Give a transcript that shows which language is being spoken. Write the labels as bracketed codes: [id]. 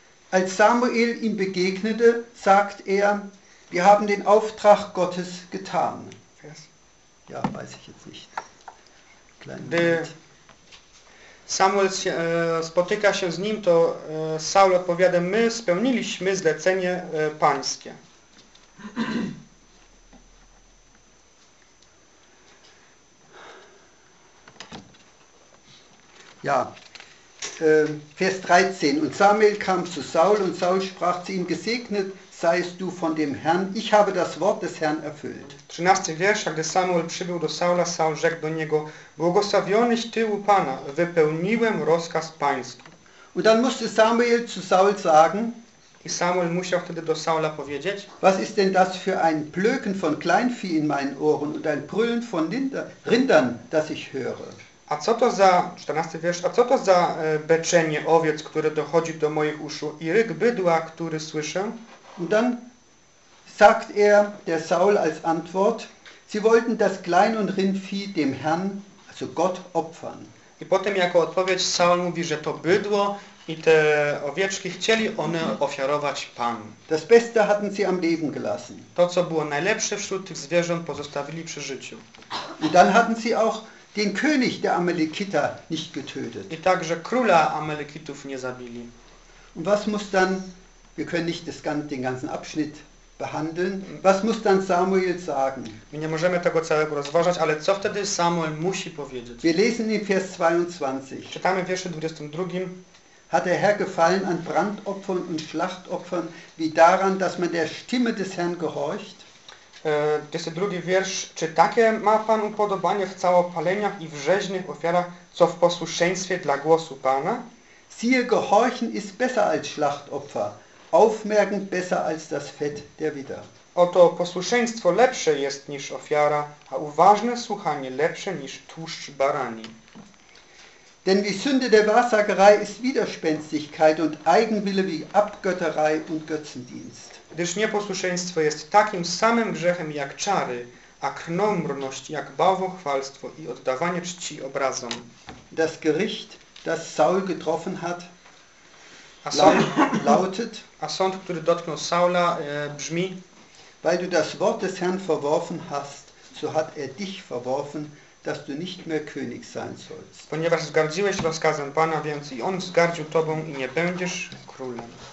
[de] Als Samuel ihm begegnete, sagt er: Wir haben den Auftrag Gottes getan. Ja, weiß ich jetzt nicht. [pl] Gdy Samuel spotyka się z nim, to Saul odpowiada: My spełniliśmy zlecenie pańskie. [de] Ja, Vers 13. Und Samuel kam zu Saul und Saul sprach zu ihm: Gesegnet seist du von dem Herrn, ich habe das Wort des Herrn erfüllt. [pl] 13. wiersz, gdy Samuel przybył do Saula, Saul rzekł do niego: Błogosławionyś ty u Pana, wypełniłem rozkaz Pański. [de] Und dann musste Samuel zu Saul sagen, [pl] i Samuel musiał wtedy do Saula powiedzieć: [de] Was ist denn das für ein Blöken von Kleinvieh in meinen Ohren und ein Brüllen von Rindern, das ich höre? [pl] A co to za, 14. wiersz, a co to za beczenie owiec, które dochodzi do moich uszu i ryk bydła, który słyszę? [de] Und dann sagt er der Saul als Antwort, sie wollten das Klein- und Rindvieh dem Herrn, also Gott, opfern. [pl] I potem jako odpowiedź Saul mówi, że to bydło i te owieczki chcieli one ofiarować Panu. [de] Das Beste hatten sie am Leben gelassen. [pl] To, co było najlepsze wśród tych zwierząt, pozostawili przy życiu. [de] Und dann hatten sie auch den König der Amalekiter nicht getötet. [pl] I także króla Amalekitów nie zabili. [de] Und was muss dann, wir können nicht das ganze, den ganzen Abschnitt behandeln, was muss dann Samuel sagen? [pl] My nie możemy tego całego rozważać, ale co wtedy Samuel musi powiedzieć? [de] Wir lesen in Vers 22. [pl] Czytamy w wierszu 22. [de] Hat der Herr gefallen an Brandopfern und Schlachtopfern, wie daran, dass man der Stimme des Herrn gehorcht? [pl] 22 wiersz, czy takie ma Pan upodobanie w całopaleniach i w rzeźnych ofiarach, co w posłuszeństwie dla głosu Pana? [de] Siehe, gehorchen ist besser als Schlachtopfer, aufmerken besser als das Fett der Widder. [pl] Oto posłuszeństwo lepsze jest niż ofiara, a uważne słuchanie lepsze niż tłuszcz barani. [de] Denn die Sünde der Wahrsagerei ist Widerspenstigkeit und Eigenwille wie Abgötterei und Götzendienst. [pl] Gdyż nieposłuszeństwo jest takim samym grzechem jak czary, a krnąbrność jak bałwochwalstwo i oddawanie czci obrazom. [de] Das Gericht, das Saul getroffen hat, lautet, [pl] a sąd, który dotknął Saula, brzmi, [de] weil du das Wort des Herrn verworfen hast, so hat er dich verworfen, dass du nicht mehr König sein sollst. [pl] Ponieważ zgardziłeś rozkazem Pana, więc i on zgardził tobą i nie będziesz królem.